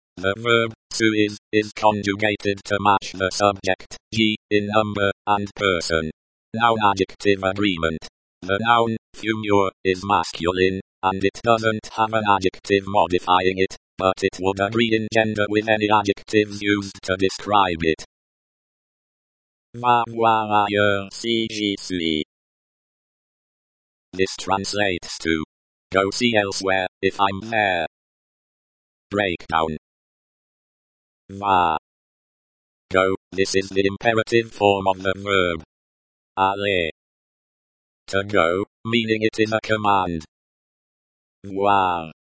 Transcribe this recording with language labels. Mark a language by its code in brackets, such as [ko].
[en] The verb, suis, is conjugated to match the subject, ye, in number, and person. Noun-adjective agreement. The noun, fumeur, is masculine, and it doesn't have an adjective modifying it, but it would agree in gender with any adjectives used to describe it. [fr] Va voir ailleurs si j'y suis. [en] This translates to, go see elsewhere, if I'm there. Breakdown. Va. Go, this is the imperative form of the verb. Allez. To go, meaning it is a command. Voir.